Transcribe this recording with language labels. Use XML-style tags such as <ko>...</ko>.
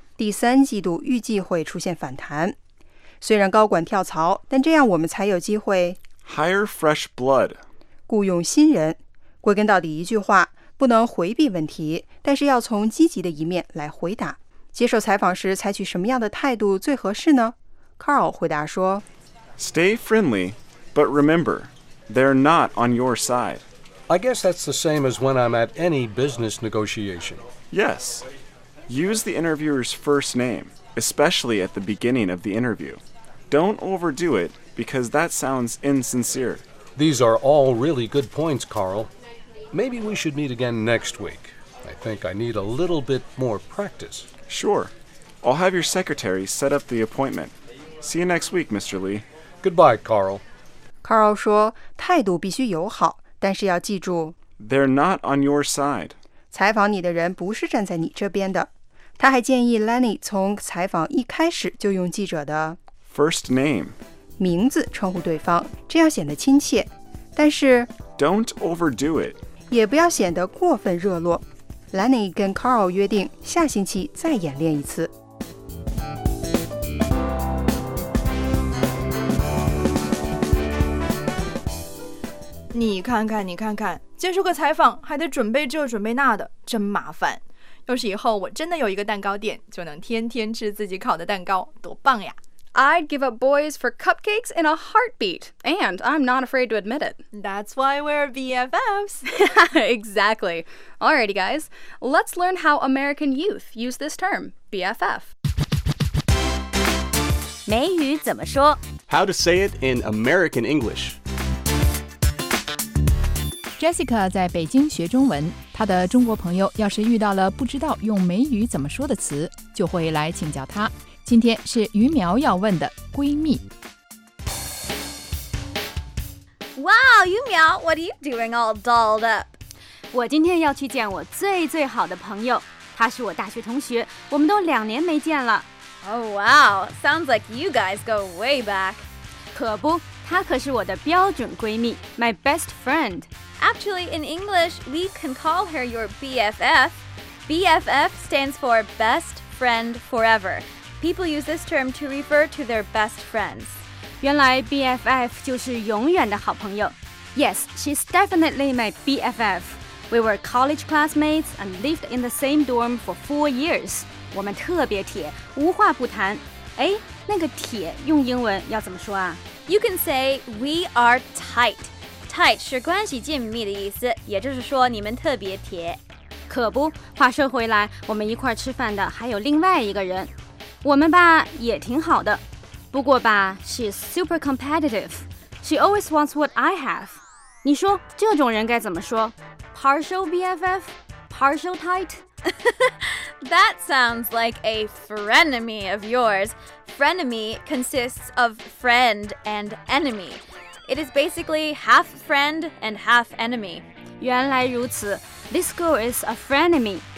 <zh>第三季度预计会出现反弹。虽然高管跳槽但这样我们才有机会</zh> <en>Hire fresh blood.</en> <zh>雇用新人，归根到底一句话，不能回避问题，但是要从积极的一面来回答。接受采访时采取什么样的态度最合适呢？ Carl 回答说</zh> <en>Stay friendly, but remember, they're not on your side. I guess that's the same as when I'm at any business negotiation. Yes. Use the interviewer's first name, especially at the beginning of the interview. Don't overdo it, because that sounds insincere. These are all really good points, Carl. Maybe we should meet again next week. I think I need a little bit more practice. Sure. I'll have your secretary set up the appointment. See you next week, Mr. Lee. Goodbye, Carl.</en> <zh>Carl 说态度必须友好，但是要记住</zh> <en>They're not on your side.</en> <zh>采访你的人不是站在你这边的。他还建议 Lenny 从采访一开始就用记者的</zh> <en>First name</en> <zh>名字称呼对方，这样显得亲切。但是</zh> <en>Don't overdo it.</en> <zh>也不要显得过分热络。 Lenny 跟 Carl 约定下星期再演练一次。你看看，你看看，接受个采访还得准备这准备那的，真麻烦。要是以后我真的有一个蛋糕店，就能天天吃自己烤的蛋糕，多棒呀</zh> <en>！I'd give up boys for cupcakes in a heartbeat, and I'm not afraid to admit it. That's why we're BFFs. Exactly. Alrighty, guys, let's learn how American youth use this term, BFF.</en> <zh>美语怎么说</zh> <en>？How to say it in American English?</en> <zh>Jessica 在北京学中文，她的中国朋友要是遇到了不知道用美语怎么说的词，就会来请教她。今天是于苗要问的闺蜜。</zh> <en>Wow, 于苗 what are you doing all dolled up?</en> <zh>我今天要去见我最最好的朋友，她是我大学同学，我们都两年没见了。</zh> <en>Oh wow, sounds like you guys go way back.</en> <zh>可不，她可是我的标准闺蜜 ， my best friend.</zh> <en>Actually, in English, we can call her your BFF. BFF stands for Best Friend Forever. People use this term to refer to their best friends.</en> <zh>原来 BFF 就是永远的好朋友。</zh> <en>Yes, she's definitely my BFF. We were college classmates and lived in the same dorm for 4 years.</en> <zh>我们特别铁，无话不谈。哎，那个铁用英文要怎么说啊？</zh> <en>You can say we are tight.</en> <zh>Tight 是关系紧密的意思，也就是说你们特别铁。可不，话说回来，我们一块吃饭的还有另外一个人，我们吧也挺好的。</zh> <en>不过吧，she's super competitive. She always wants what I have.</en> <zh>你说这种人该怎么说 ？ Partial BFF, partial tight.</zh> <en>That sounds like a frenemy of yours. Frenemy consists of friend and enemy. It is basically half friend and half enemy. 原来如此 This girl is a frenemy.</en>